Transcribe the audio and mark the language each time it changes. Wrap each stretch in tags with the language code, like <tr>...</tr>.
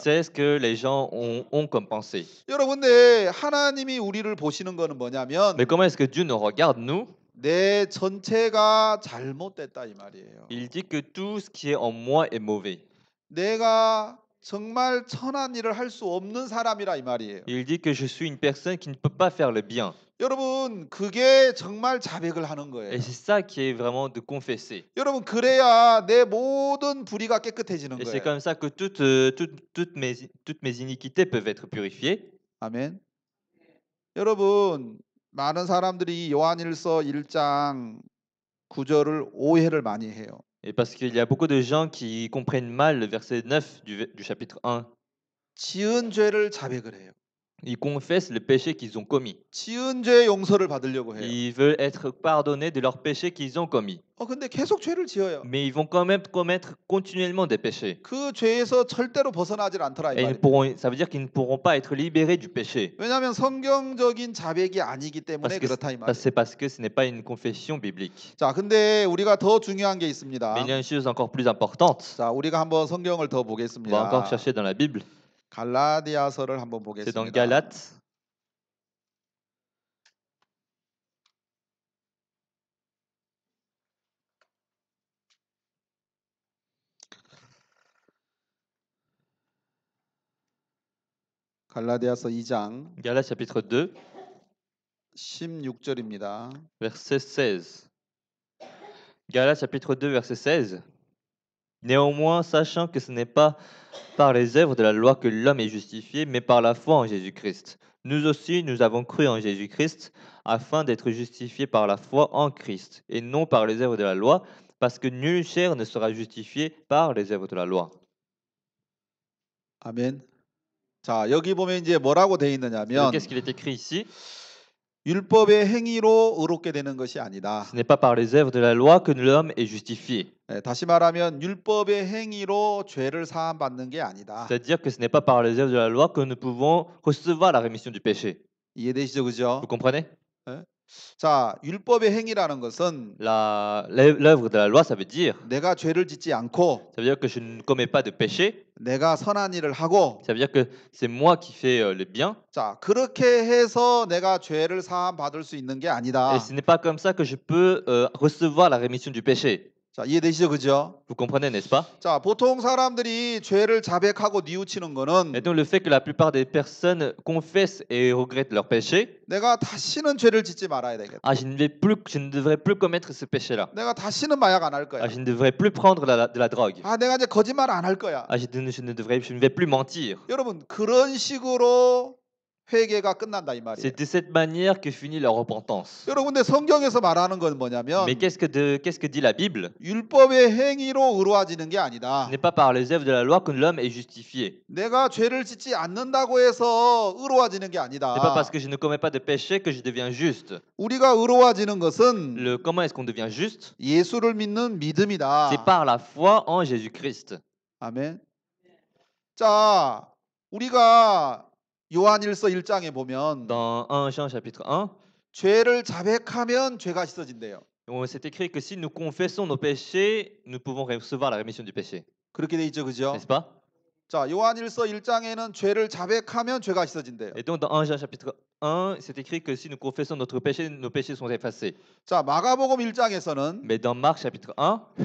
<fr>C'est ce que les gens ont comme pensée.</fr> <ko>여러분들, 하나님이 우리를 보시는 거는 뭐냐면</ko> <fr>Mais comment est-ce que Dieu nous regarde nous?</fr> <ko>내 전체가 잘못됐다 이 말이에요.</ko> <fr>Il dit que tout ce qui est en moi est mauvais.</fr> <ko>내가 정말 선한 일을 할 수 없는 사람이라 이 말이에요.</ko> <fr>Il dit que je suis une personne qui ne peut pas faire le bien.</fr> <ko>여러분, 그게 정말 자백을 하는 거예요.</ko> <fr>Et c'est ça qui est vraiment de confesser.</fr> <ko>여러분, 그래야 내 모든 불의가 깨끗해지는</ko> <fr>Et</fr> <ko>거예요.</ko> <fr>Et c'est comme ça que toutes mes iniquités peuvent être purifiées.</fr> <ko>아멘. 여러분, 많은 사람들이 요한일서 1장 9절을 오해를 많이 해요.</ko> <fr>Et parce qu'il y a beaucoup de gens qui comprennent mal le verset 9 du chapitre 1.</fr> <ko>지은 죄를 자백을 해요.</ko> <fr>Ils confessent le péché qu'ils ont commis.</fr> <ko>지은 죄의 용서를 받으려고 해요.</ko> <fr>Ils veulent être pardonnés de leurs péchés qu'ils ont commis.</fr> <ko>근데 계속 죄를 지어요.</ko> <fr>Mais ils vont quand même commettre continuellement des péchés.</fr> <ko>그 죄에서 절대로 벗어나질 않더라 이 말이에요.</ko> <fr>Ça veut dire qu'ils ne pourront pas être libérés du péché.</fr> <ko>왜냐하면 성경적인 자백이 아니기 때문에 그렇다 이 말이에요.</ko> <fr>C'est parce que ce n'est pas une confession biblique.</fr> <ko>자, 근데 우리가 더 중요한 게 있습니다.</ko> <fr>Mais il y a une chose encore plus importante.</fr> <ko>자, 우리가 한번 성경을 더 보겠습니다.</ko> <fr>On va encore chercher dans la Bible.</fr> <ko>갈라디아서를 한번 보겠습니다.</ko> <fr>C'est dans Galates.</fr> <ko>갈라디아서 2장</ko> <fr>Galates chapitre 2</fr> <ko>16절입니다.</ko> <fr>Verset 16. Galates chapitre 2 verset 16. Néanmoins, sachant que ce n'est pas par les œuvres de la loi que l'homme est justifié, mais par la foi en Jésus-Christ. Nous aussi, nous avons cru en Jésus-Christ afin d'être justifiés par la foi en Christ et non par les œuvres de la loi, parce que nulle chair ne sera justifiée par les œuvres de la loi. Amen.</fr> <ko>자, 여기 보면 이제 뭐라고 돼 있느냐면</ko> <fr>Qu'est-ce qu'il est écrit ici?</fr> <ko>율법의 행위로 의롭게 되는 것이 아니다.</ko> <fr>Ce n'est pas par les œuvres de la loi que l'homme est justifié.</fr> <ko>다시 말하면 율법의 행위로 죄를 사함 받는 게 아니다.</ko> <fr>C'est-à-dire que ce n'est pas par les œuvres de la loi que nous pouvons recevoir la rémission du péché.</fr> <ko>이해되시죠, 그죠?</ko> <fr>Vous comprenez?</fr> <ko>자, 율법의 행위라는 것은</ko> <fr>l'œuvre de la loi, ça veut dire</fr> <ko>내가 죄를 짓지 않고</ko> <fr>ça veut dire que je ne commets pas de péché</fr> <ko>내가 선한 일을 하고</ko> <fr>ça veut dire que c'est moi qui fais le bien</fr> <ko>자, 그렇게 해서 내가 죄를 사함 받을 수 있는 게 아니다</ko> <fr>et ce n'est pas comme ça que je peux recevoir la rémission du péché</fr> <ko>자, 이해되시죠, 그죠?</ko> <fr>Vous comprenez, n'est-ce pas?</fr> <ko>자, 보통 사람들이 죄를 자백하고 뉘우치는 거는</ko> <fr>Et donc le fait que la plupart des personnes confessent et regrettent leur péché</fr> <ko>내가 다시는 죄를 짓지 말아야 되겠다.</ko> <fr>Ah, je ne devrais plus commettre ce péché-là.</fr> <ko>내가 다시는 마약 안 할 거야.</ko> <fr>Ah, je ne devrais plus prendre de la drogue.</fr> <ko>아, 내가 이제 거짓말 안 할 거야.</ko> <fr>Ah, je ne vais plus mentir.</fr> <ko>여러분, 그런 식으로 회개가 끝난다 이 말이에요.</ko> <fr>C'est de cette manière que finit la repentance.</fr> <ko>여러분, 성경에서 말하는 건 뭐냐면</ko> <fr>Mais qu'est-ce que dit la Bible?</fr> <ko>율법의 행위로 의로워지는 게 아니다.</ko> <fr>Ce n'est pas par les œuvres de la loi que l'homme est justifié.</fr> <ko>내가 죄를 짓지 않는다고 해서 의로워지는 게 아니다.</ko> <fr>Ce n'est pas parce que je ne commets pas de péché que je deviens juste.</fr> <ko>우리가 의로워지는 것은</ko> <fr>comment est-ce qu'on devient juste?</fr> <ko>예수를 믿는 믿음이다.</ko> <fr>C'est par la foi en Jésus-Christ.</fr> <ko>아멘. 자, 우리가 요한일서 1장에 보면</ko> <fr>dans 1 chapitre 1</fr> <ko>죄를 자백하면 죄가 씻어진대요.</ko> <fr>C'est écrit que si nous confessons nos péchés, nous pouvons recevoir la rémission du péché.</fr> <ko>그렇게 돼 있죠, 그죠?</ko> <fr>N'est-ce pas?</fr> <ko>자, 요한일서 1장에는 죄를 자백하면 죄가 씻어진대요.</ko> <fr>Et donc dans 1 chapitre 1, c'est écrit que si nous confessons notre péché, nos péchés sont effacés.</fr> <ko>자, 마가복음 1장에서는</ko> <fr>Mais dans Marc chapitre 1,</fr>